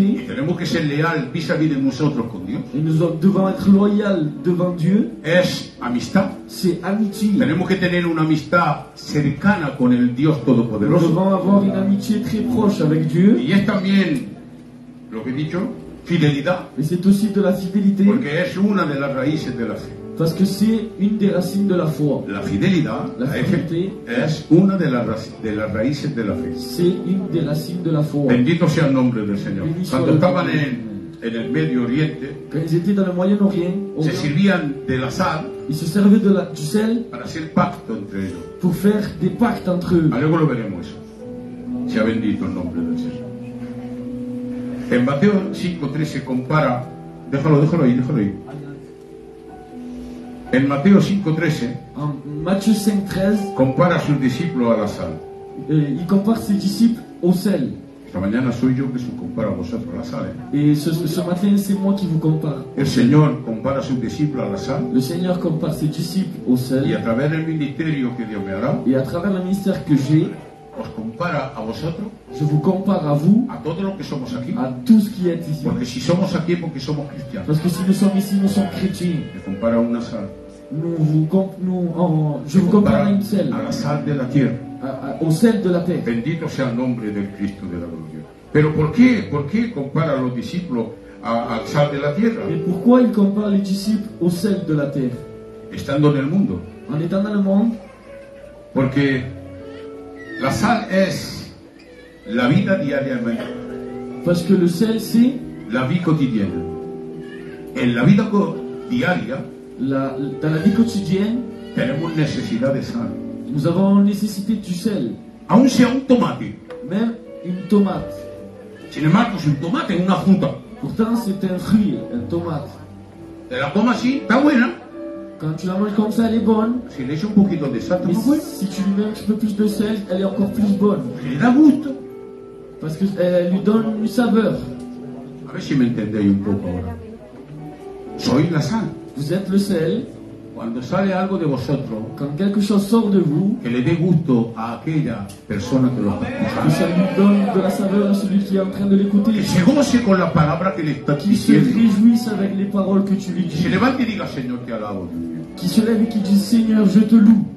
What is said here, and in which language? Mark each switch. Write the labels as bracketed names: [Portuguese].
[Spanish] Y tenemos que ser leal vis-à-vis de nosotros con Dios. [French] Et nous devons être loyal devant Dieu. [Spanish] Es amistad. [French] C'est amitié. [Spanish] Tenemos que tener una amistad cercana con el Dios Todopoderoso. [French] Nous devons avoir une amitié très proche avec Dieu. [Spanish] Y es también lo que he dicho, fidelidad. [French] Et c'est aussi de la fidélité. [Spanish] Porque es una de las raíces de la fe. [French] Parce que c'est une des racines de la foi. [Spanish] La fidélidad, [French] la fidélité, [Spanish] es una de las raíces de la fe. [French] C'est une des racines de la foi. [Spanish] Bendito sea el nombre del Señor. Cuando estaban en el Medio Oriente, [French] quand ils étaient dans le Moyen-Orient, [Spanish] se servían de la sal, [French] ils se servaient de du sel, [Spanish] para hacer pacto entre ellos. [French] Pour faire des pactes entre eux. [Spanish] Luego lo veremos eso. Sea bendito el nombre del Señor. En Mateo 5:13 compara, déjalo ahí. En Mateo 5:13, [French] en Matthieu 5:13, [Spanish] compara a sus discípulos a la sal. Y compara a sus discípulos al sel. Esta mañana soy yo que se compara a vosotros a la sal. [French] Ce matin c'est moi qui vous compare. [Spanish] El Señor compara a sus discípulos a la sal. [French] Le Seigneur compare ses disciples au sel. [Spanish] Y a través del ministerio que Dios me hará. [French] Et à travers le ministère que j'ai. [Spanish] Os compara a vosotros. [French] Je vous compare à vous. [Spanish] A todos los que somos aquí. [French] À tous qui êtes ici. [Spanish] Porque si somos aquí porque somos cristianos. [French] Parce que si nous sommes ici nous sommes chrétiens. [Spanish] Me compara a una sal. [French] Je vous compare a une sel. [Spanish] A la sal de la tierra. [French] Au sel de la terre. [Spanish] Bendito sea el nombre del Cristo de la gloria. Pero ¿por qué? ¿Por qué compara a los discípulos a sal de la tierra? [French] Et pourquoi il compare les disciples au sel de la terre? [Spanish] Estando en el mundo. [French] En étant dans le monde. [Spanish] Porque la sal es la vida diariamente. [French] Parce que le sel c'est la vie quotidienne. [Spanish] En la vida diaria, [French] dans la vie quotidienne, [Spanish] tenemos necesidad de sal. [French] Nous avons nécessité du sel. [Spanish] Aun si es un tomate. [French] Même une tomate. [Spanish] Sin embargo, si un tomate es una fruta. [French] Pourtant, c'est un fruit, un tomate. [Spanish] Te la comes así, está buena. [French] Quand tu la manges comme ça, elle est bonne. [Spanish] Si le echas un poquito de sal, [French] mais si tu lui mets un petit peu plus de sel, elle est encore plus bonne. [Spanish] Le da gusto. [French] Parce que elle lui donne une saveur. [Spanish] A ver si me entendéis un poco ahora. Soy la sal. [French] Vous êtes le sel. [Spanish] Cuando sale algo de vosotros, [French] quand quelque chose sort de vous, [Spanish] que le dé gusto a aquella persona que lo está escuchando. [French] Que ça lui donne de la saveur à celui qui est en train de l'écouter. [Spanish] Que se goce con la palabra que le está diciendo. [French] Qui se réjouisse avec les paroles que tu lui dis. [Spanish] Se levante y diga, Señor, te alabo. [French] Qui se lève et qui dit, Seigneur, je te loue.